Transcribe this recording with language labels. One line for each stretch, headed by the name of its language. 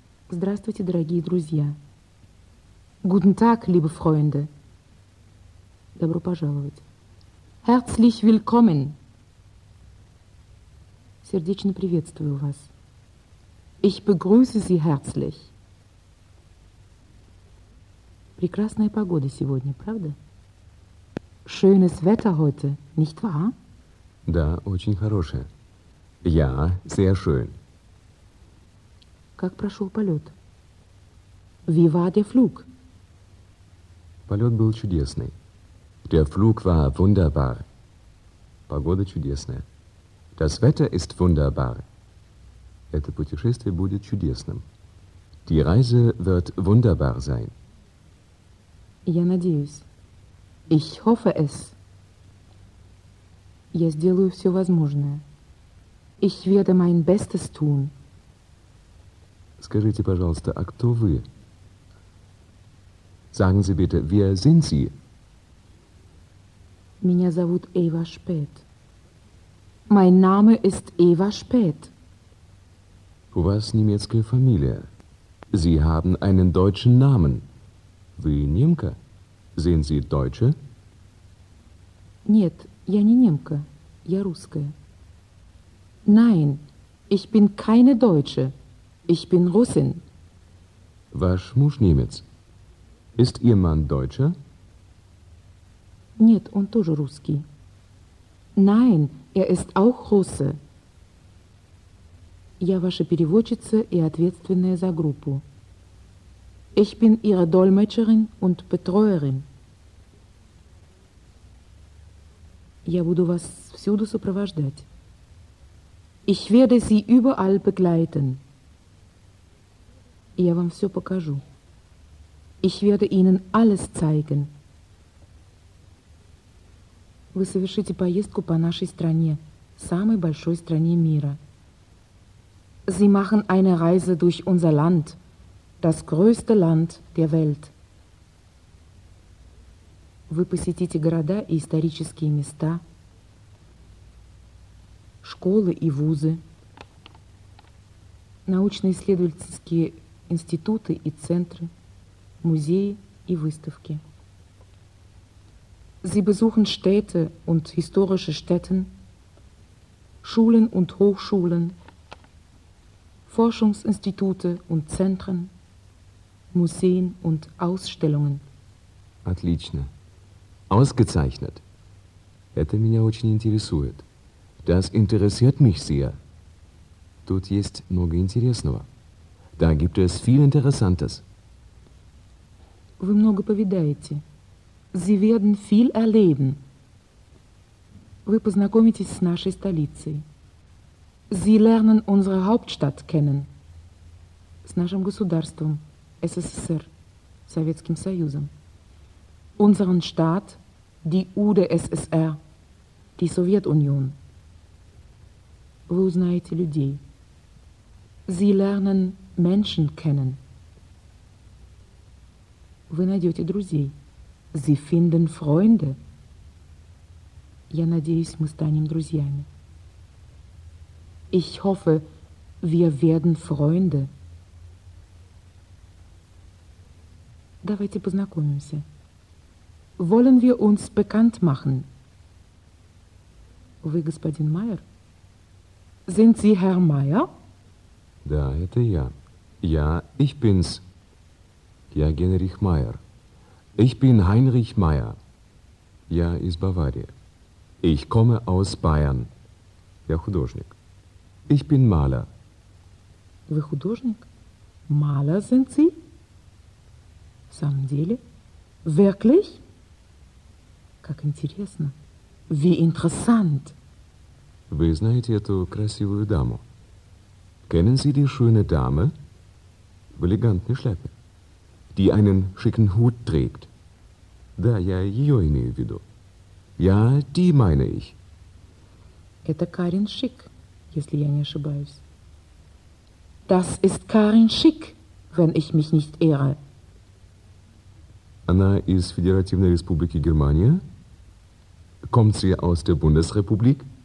Russian: Здравствуйте, дорогие друзья.
German: Guten Tag, liebe Freunde.
Russian: Добро пожаловать.
German: Herzlich willkommen.
Russian: Сердечно приветствую вас.
German: Ich begrüße Sie herzlich.
Russian: Прекрасная погода сегодня, правда?
German: Schönes Wetter heute, nicht wahr?
Russian: Да, очень хорошее.
German: Ja, sehr schön.
Russian: Как прошел полет?
German: Wie war der Flug?
Russian: Полет был чудесный.
German: Der Flug war wunderbar.
Russian: Погода чудесная.
German: Das Wetter ist wunderbar.
Russian: Это путешествие будет чудесным.
German: Die Reise wird wunderbar sein.
Russian: Я надеюсь.
German: Ich hoffe es.
Russian: Я сделаю все возможное.
German: Ich werde mein Bestes tun.
Russian: Скажите, пожалуйста, а кто вы?
German: Sagen Sie bitte, wer sind Sie?
Russian: Меня зовут Эва Шпет.
German: Mein Name ist Eva Spät.
Russian: У вас немецкая фамилия.
German: Sie haben einen deutschen Namen.
Russian: Вы немка?
German: Sind Sie Deutsche?
Russian: Нет, я не немка. Я русская.
German: Nein, ich bin keine Deutsche. Ich bin Russin.
Russian: Ваш муж немец.
German: Ist Ihr Mann Deutscher?
Russian: Нет, он тоже русский.
German: Nein, ist auch Russe.
Russian: Я ваша переводчица и ответственная за группу.
German: Ich bin Ihre Dolmetscherin und Betreuerin.
Russian: Я буду вас всюду сопровождать.
German: Ich werde Sie überall begleiten.
Russian: Я вам все покажу.
German: Ich werde Ihnen alles zeigen.
Russian: Вы совершите поездку по нашей стране, самой большой стране мира.
German: Sie machen eine Reise durch unser Land, das größte Land der Welt.
Russian: Вы посетите города и исторические места, школы и вузы, научно-исследовательские институты и центры, музеи и выставки.
German: Sie besuchen Städte und historische Stätten, Schulen und Hochschulen, Forschungsinstitute und Zentren, Museen und Ausstellungen.
Russian: Отлично.
German: Ausgezeichnet.
Russian: Это меня очень интересует.
German: Das interessiert mich sehr.
Russian: Тут есть много интересного.
German: Da gibt es viel Interessantes.
Russian: Вы много повидаете.
German: Sie werden viel erleben.
Russian: Вы познакомитесь с нашей столицей.
German: Sie lernen unsere Hauptstadt kennen.
Russian: С нашим государством, СССР, Советским Союзом.
German: Unseren Staat, die UdSSR, die Sowjetunion.
Russian: Вы узнаете людей.
German: Sie lernen Menschen kennen.
Russian: Вы найдете друзей.
German: Sie finden Freunde.
Russian: Я надеюсь, мы станем друзьями.
German: Ich hoffe, wir werden Freunde.
Russian: Давайте познакомимся.
German: Wollen wir uns bekannt machen?
Russian: Вы господин Майер?
German: Sind Sie Herr Meier?
Russian: Да, это я.
German: Ja, ich bin's.
Russian: Я Генрих Майер.
German: Ich bin Heinrich Meier.
Russian: Я из Баварии.
German: Ich komme aus Bayern.
Russian: Я художник.
German: Ich bin Maler.
Russian: Вы художник?
German: Maler sind Sie?
Russian: В самом деле?
German: Wirklich?
Russian: Как интересно.
German: Wie interessant.
Russian: Вы знаете эту красивую даму?
German: Kennen Sie die schöne Dame?
Russian: В элегантной шляпе.
German: Die einen schicken Hut trägt.
Russian: Да, я ее имею в виду.
German: Я ти майна их.
Russian: Это Карин Шик, если я не ошибаюсь.
German: Das ist Карин Шик, wenn ich mich nicht irre.
Russian: Она из Федеративной Республики Германия?
German: Kommt sie aus der Bundesrepublik?